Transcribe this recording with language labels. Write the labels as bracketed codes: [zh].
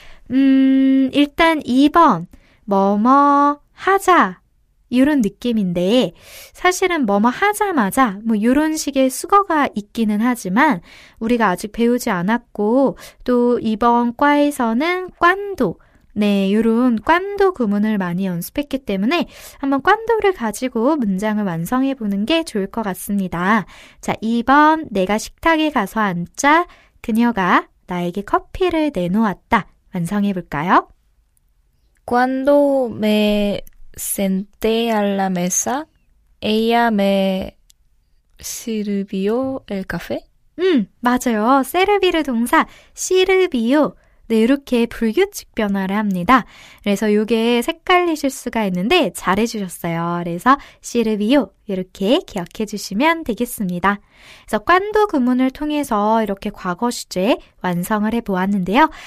[ko] 일단 2번 뭐뭐 하자 이런 느낌인데 사실은 뭐뭐 하자마자 뭐 이런 식의 수거가 있기는 하지만 우리가 아직 배우지 않았고 또 이번 과에서는 quando 네, 요런 quando 구문을 많이 연습했기 때문에 한번 quando를 가지고 문장을 완성해 보는 게 좋을 것 같습니다. 자, 2번 내가 식탁에 가서 앉자 그녀가 나에게 커피를 내놓았다. 완성해 볼까요? [es] Cuando me senté a la mesa, ella me sirvió el café? [ko] 맞아요. 세르비르 동사 sirvió. 네, 이렇게 불규칙 변화를 합니다. 그래서 이게 헷갈리실 수가 있는데 잘해주셨어요. 그래서 sirvió 이렇게 기억해 주시면 되겠습니다. 그래서 quando 구문을 통해서 이렇게 과거 시제 완성을 해보았는데요.